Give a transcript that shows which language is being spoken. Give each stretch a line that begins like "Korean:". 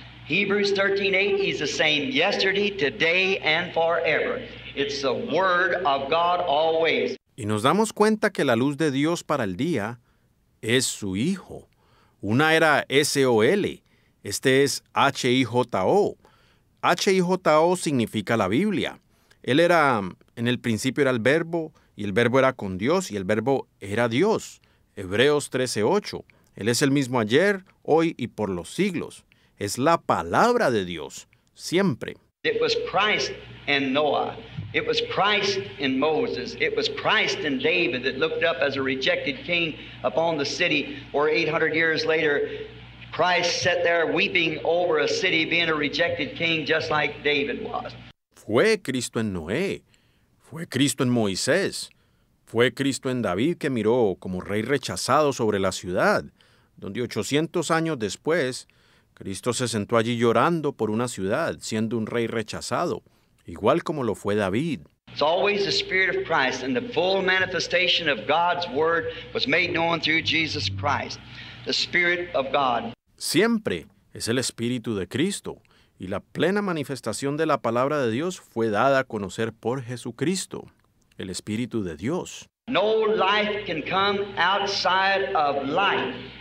English: Hebrews 13:8, He's the same yesterday, today, and forever. It's the Word of God always.
Spanish: Y nos damos cuenta que la luz de Dios para el día es su Hijo. Una era S-O-L, este es H-I-J-O. H-I-J-O significa la Biblia. Él era, en el principio era el Verbo, y el Verbo era con Dios, y el Verbo era Dios. Hebreos 13:8. Él es el mismo ayer, hoy y por los siglos. Es la palabra de Dios, siempre.
English: It was Christ in Noah. It was Christ in Moses. It was Christ in David that looked up as a rejected king upon the city, or 800 years later, Christ sat there weeping over a city being a rejected king just like David was.
Spanish: Fue Cristo en Noé. Fue Cristo en Moisés. Fue Cristo en David que miró como rey rechazado sobre la ciudad, donde 800 años después, Cristo se sentó allí llorando por una ciudad, siendo un rey rechazado, igual como lo fue David.
English: It's always the Spirit of Christ, and the full manifestation of God's Word was made known through Jesus Christ, the Spirit of God.
Spanish: Siempre es el Espíritu de Cristo. Y la plena manifestación de la palabra de Dios fue dada a conocer por Jesucristo, el Espíritu de Dios.
English: No life can come outside of light.